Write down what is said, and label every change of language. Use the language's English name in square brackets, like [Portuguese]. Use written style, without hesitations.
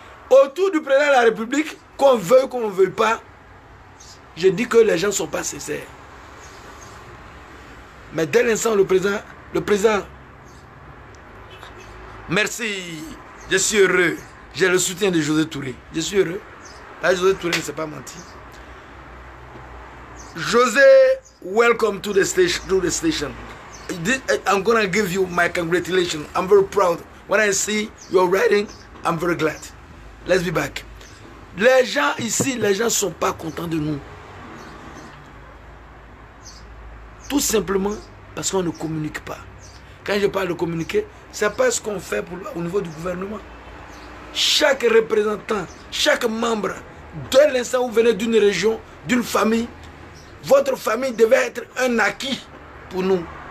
[French] Autour du président de la République, qu'on veuille, qu'on ne veuille pas, je dis que les gens ne sont pas sincères. Mais dès l'instant, le président, merci, je suis heureux, j'ai le soutien de José Touré. Je suis heureux. Là, José Touré ne s'est pas menti. [English] José, welcome to the station. I'm going to give you my congratulations. I'm very proud. When I see your writing, I'm very glad. Let's be back. [French] Les gens ici, les gens ne sont pas contents de nous. Tout simplement parce qu'on ne communique pas. Quand je parle de communiquer, c'est pas ce qu'on fait au niveau du gouvernement. Chaque représentant, chaque membre, dès l'instant où vous venez d'une région, d'une famille, votre famille devait être un acquis pour nous.